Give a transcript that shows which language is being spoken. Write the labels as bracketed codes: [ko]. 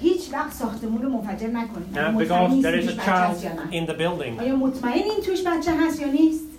[fa] هیچ وقت ساختمون رو منفجر نکنید. [en] Because there is a child in the building. [fa] آیا مطمئنین توش بچه هست یا نیست؟